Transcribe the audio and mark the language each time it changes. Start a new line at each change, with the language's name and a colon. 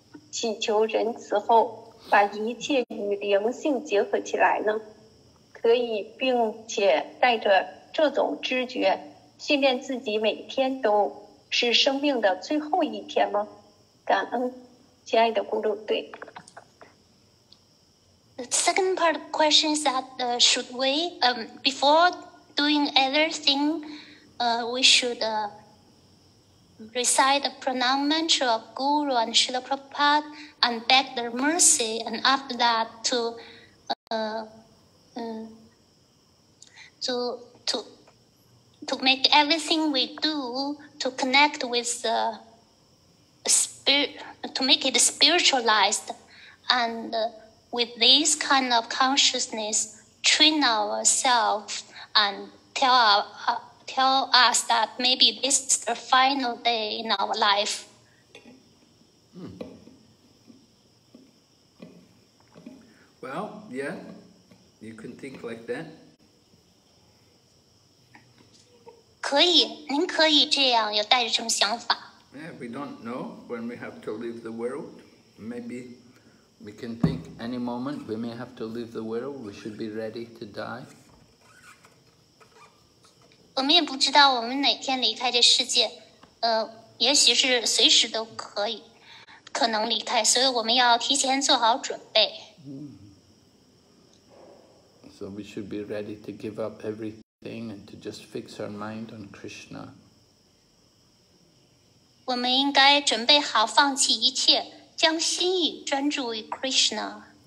Chinese: 祈求仁慈后，把一切与灵性结合起来呢？可以并且带着这种知觉，训练自己每天都是生命的最后一天吗？感恩，亲爱的咕噜队。
English: The second part of the question is that should we before doing everything, we should recite the pranam mantra of Guru and Srila Prabhupada and beg their mercy, and after that to make everything we do to connect with the spirit, to make it spiritualized, and with this kind of consciousness train ourselves and tell us that maybe this is the final day in our life. Well, yeah, you can think like that.
Chinese: 可以，您可以这样，有带着这种想法。
English: Yeah, we don't know when we have to leave the world. Maybe we can think any moment we may have to leave the world. We should be ready to die.
Chinese: 我们也不知道我们哪天离开这世界，也许是随时都可以，可能离开，所以我们要提前做好准备。
English: So we should be ready to give up everything and to just fix our mind on Krishna.
Chinese: 我们应该准备好放弃一切，将心意专注于 Krishna.